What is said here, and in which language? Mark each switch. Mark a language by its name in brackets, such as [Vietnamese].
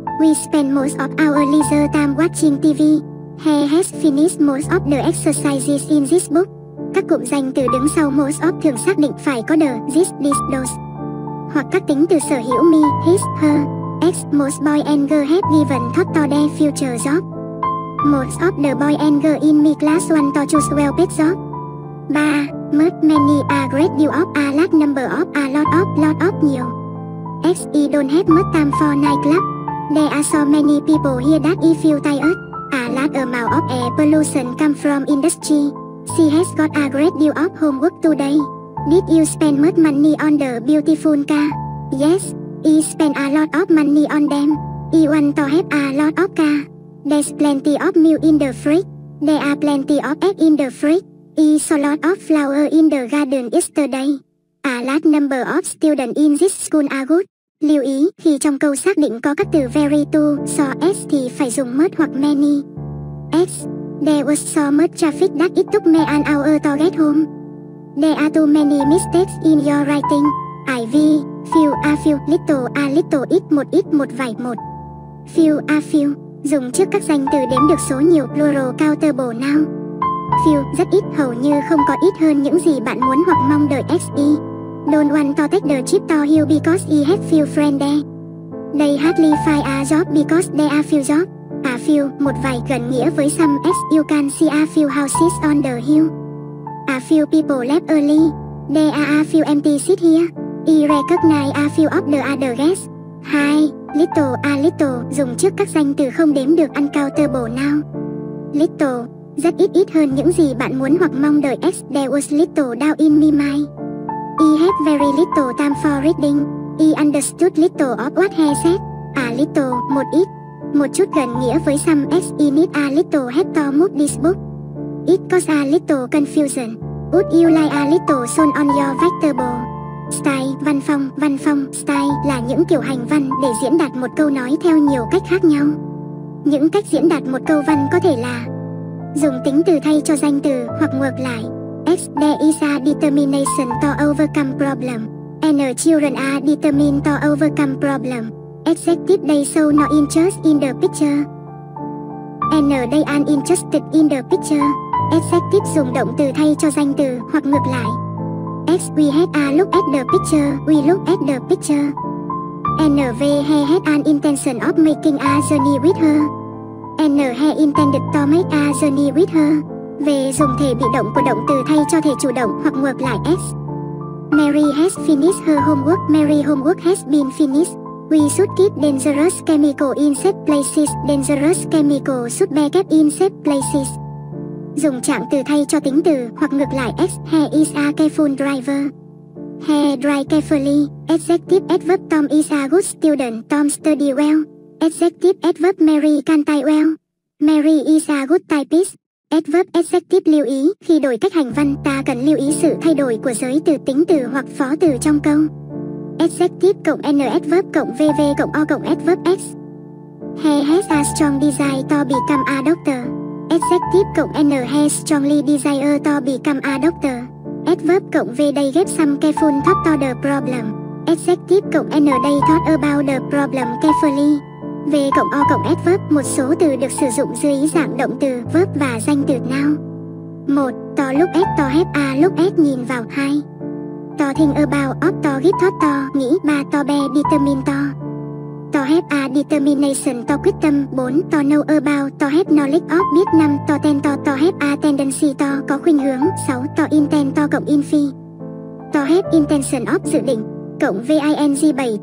[English] We spend most of our leisure time watching TV. He has finished most of the exercises in this book. [Vietnamese] Các cụm danh từ đứng sau most of thường xác định phải có the, this, this, those. Hoặc các tính từ sở hữu me, his, her. [English] X, most boy and girl have given thought to their future job. Most of the boy and girl in my class want to choose well-paid job. 3. Most many are great deal of a large number of a lot of nhiều. X, he don't have much time for nightclub. There are so many people here that he feel tired. A large amount of air pollution come from industry. She has got a great deal of homework today. Did you spend much money on the beautiful car? Yes, he spent a lot of money on them. He want to have a lot of car. There's plenty of milk in the fridge. There are plenty of eggs in the fridge. He saw a lot of flower in the garden yesterday. A large number of students in this school are good. [Vietnamese] Lưu ý, khi trong câu xác định có các từ very to, so as thì phải dùng most hoặc many. [English] X, there was so much traffic that it took me an hour to get home. There are too many mistakes in your writing. IV, Few a few, little a little, [Vietnamese] ít một ít một vài một. Few a few, dùng trước các danh từ đếm được số nhiều, [English] plural countable noun. [Vietnamese] Few, rất ít, hầu như không có, ít hơn những gì bạn muốn hoặc mong đợi. SE. [English] Don't want to take the trip to you because he has few friends there. They hardly find a job because there are few jobs. A few, [Vietnamese] một vài, gần nghĩa với some. [English] S, you can see a few houses on the hill. A few people left early. There are a few empty seats here. He recognized a few of the other guests. 2. [Vietnamese] Little a little, dùng trước các danh từ không đếm được, [English] uncountable noun. [Vietnamese] Little, rất ít, ít hơn những gì bạn muốn hoặc mong đợi. [English] S, there was little doubt in my mind. He had very little time for reading. He understood little of what he said. A little, [Vietnamese] một ít, một chút, gần nghĩa với [English] some. S, he need a little help to move this book. It caused a little confusion. Would you like a little soon on your vegetable? [Vietnamese] Style, văn phong, style là những kiểu hành văn để diễn đạt một câu nói theo nhiều cách khác nhau. Những cách diễn đạt một câu văn có thể là dùng tính từ thay cho danh từ hoặc ngược lại. [English] S, there is a determination to overcome problem. And children are determined to overcome problem. Adjective, they show no interest in the picture. And they are interested in the picture. [Vietnamese] Adjective, dùng động từ thay cho danh từ hoặc ngược lại. [English] S, we had a look at the picture. We look at the picture. N, V, he had an intention of making a journey with her. N, he intended to make a journey with her. [Vietnamese] V, dùng thể bị động của động từ thay cho thể chủ động hoặc ngược lại. [English] S, Mary has finished her homework. Mary's homework has been finished. We should keep dangerous chemical in safe places. Dangerous chemical should be kept in safe places. [Vietnamese] Dùng trạng từ thay cho tính từ hoặc ngược lại. [English] S, he is a careful driver. He drive carefully. Adjective, adverb, Tom is a good student. Tom study well. Adjective, adverb, Mary can type well. Mary is a good typist. Adverb, adjective, [Vietnamese] lưu ý, khi đổi cách hành văn, ta cần lưu ý sự thay đổi của giới từ, tính từ hoặc phó từ trong câu. [English] Adjective cộng N, adverb cộng VV cộng O cộng adverb S. He has a strong desire to become a doctor. Adjective cộng N, he strongly desire to become a doctor. Adverb cộng V, they gave some careful thought to the problem. Adjective cộng N, they thought about the problem carefully. [Vietnamese] V cộng O cộng adverb, một số từ được sử dụng dưới dạng động từ, verb và danh từ nào. [English] 1. To look at, to have a look at, [Vietnamese] nhìn vào. [English] 2. To think about, of to give thought to, nghĩ. 3. To be determined to. To have a determination, to [Vietnamese] quyết tâm. [English] 4. To know about, to have knowledge of. Biết. 5. To tend to have a tendency to, [Vietnamese] có khuynh hướng. [English] 6. To intend to cộng infi. To have intention of, dự định. Cộng V-I-N-G. 7.